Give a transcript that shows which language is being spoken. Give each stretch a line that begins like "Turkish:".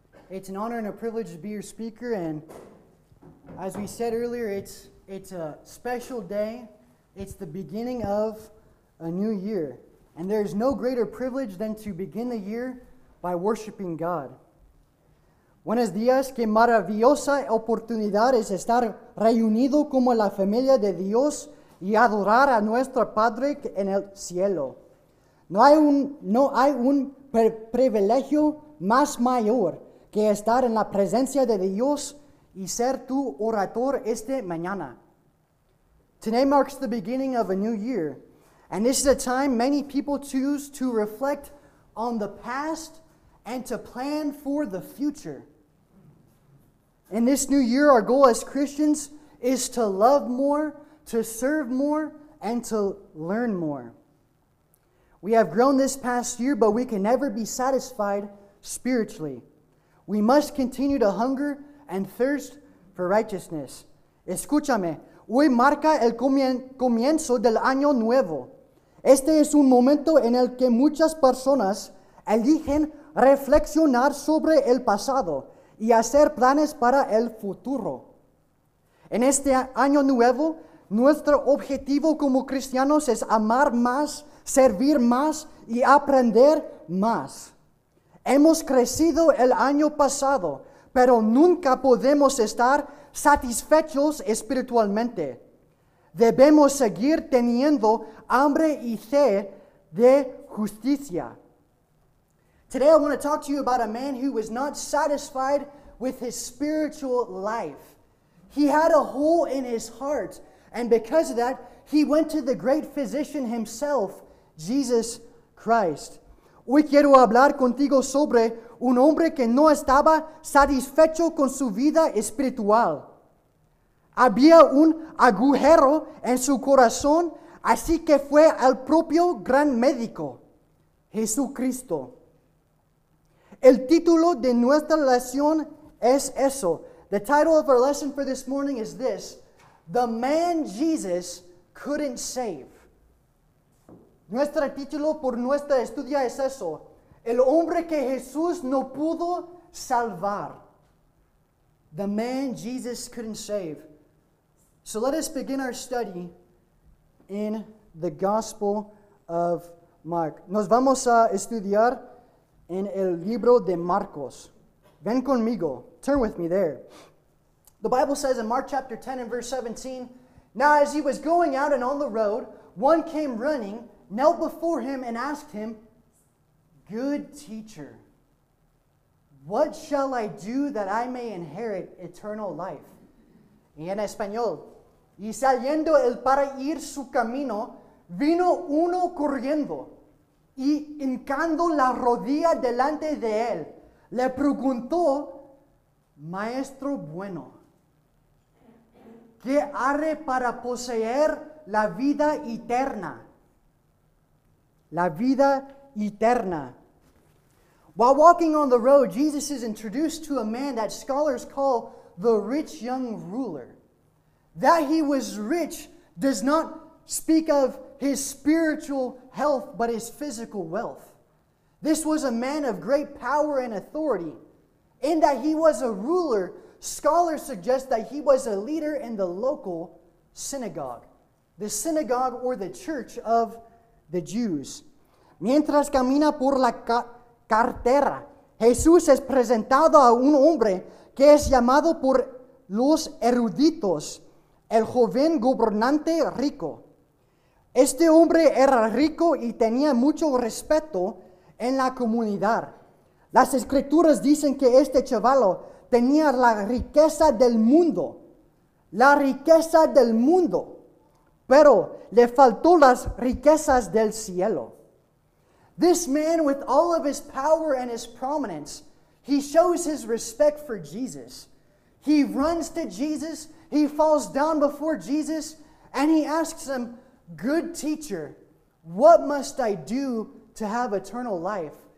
English: It's an honor and a privilege to be your speaker, and as we said earlier, it's a special day. It's the beginning of a new year, and there is no greater privilege than to begin the year by worshiping God.
Spanish: Buenos días, qué maravillosa oportunidad es estar reunido como la familia de Dios y adorar a nuestro Padre en el cielo. No hay un privilegio más mayor que estar en la presencia de Dios y ser tu orador esta mañana.
English: Today marks the beginning of a new year, and this is a time many people choose to reflect on the past and to plan for the future. In this new year, our goal as Christians is to love more, to serve more, and to learn more. We have grown this past year, but we can never be satisfied spiritually. We must continue to hunger and thirst for righteousness.
Spanish: Escúchame, hoy marca el comienzo del año nuevo. Este es un momento en el que muchas personas eligen reflexionar sobre el pasado y hacer planes para el futuro. En este año nuevo, nuestro objetivo como cristianos es amar más, servir más y aprender más. Hemos crecido el año pasado, pero nunca podemos estar satisfechos espiritualmente. Debemos seguir teniendo hambre y sed de justicia.
English: Today I want to talk to you about a man who was not satisfied with his spiritual life. He had a hole in his heart, and because of that, he went to the great physician himself, Jesus Christ.
Spanish: Hoy quiero hablar contigo sobre un hombre que no estaba satisfecho con su vida espiritual. Había un agujero en su corazón, así que fue al propio gran médico, Jesucristo. El título de nuestra lección es eso.
English: The title of our lesson for this morning is this: The Man Jesus Couldn't Save.
Spanish: Nuestro título por nuestra estudia es eso: El hombre que Jesús no pudo salvar.
English: The man Jesus couldn't save. So let us begin our study in the Gospel of Mark.
Spanish: Nos vamos a estudiar en el libro de Marcos. Ven conmigo.
English: Turn with me there. The Bible says in Mark chapter 10 and verse 17, Now as he was going out and on the road, one came running, knelt before him and asked him, Good teacher, what shall I do that I may inherit eternal life?
Spanish: Y en español, y saliendo él para ir su camino, vino uno corriendo, y hincando la rodilla delante de él, le preguntó, Maestro bueno, ¿qué haré para poseer la vida eterna? La vida eterna.
English: While walking on the road, Jesus is introduced to a man that scholars call the rich young ruler. That he was rich does not speak of his spiritual health, but his physical wealth. This was a man of great power and authority. In that he was a ruler, scholars suggest that he was a leader in the local synagogue, the synagogue or the church of the Jews.
Spanish: Mientras camina por la carretera, Jesús es presentado a un hombre que es llamado por los eruditos, el joven gobernante rico. Este hombre era rico y tenía mucho respeto en la comunidad. Las escrituras dicen que este chavalo tenía la riqueza del mundo, la riqueza del mundo, pero le faltó las riquezas del cielo.
English: This man, with all of his power and his prominence, he shows his respect for Jesus. He runs to Jesus, he falls down before Jesus, and he asks him, Good teacher, what must I do to have eternal life?